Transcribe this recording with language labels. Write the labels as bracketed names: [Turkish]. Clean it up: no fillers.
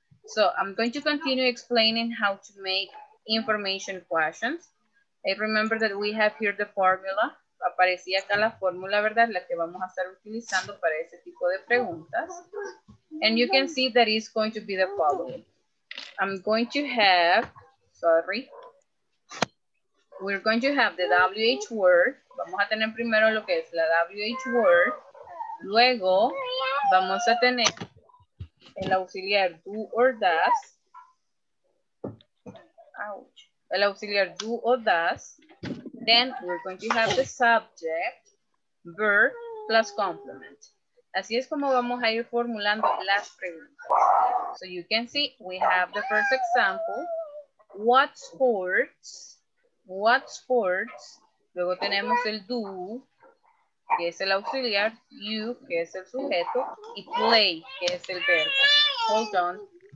[English] So I'm going to continue explaining how to make information questions. I remember that we have here the formula. [Spanish] Aparecía acá la fórmula, ¿verdad? La que vamos a estar utilizando para ese tipo de preguntas. [English] And you can see that it's going to be the following. I'm going to have, sorry, we're going to have the WH word. [Spanish] Vamos a tener primero lo que es la WH word. Luego, vamos a tener el auxiliar do or does. Ouch. El auxiliar do or does. [English] Then, we're going to have the subject, verb, plus complement. [Spanish] Así es como vamos a ir formulando las preguntas. [English] So you can see, we have the first example. What sports? What sports? [Spanish] Luego tenemos el do, que es el auxiliar. You, que es el sujeto. Y play, que es el verbo. [English] Hold on.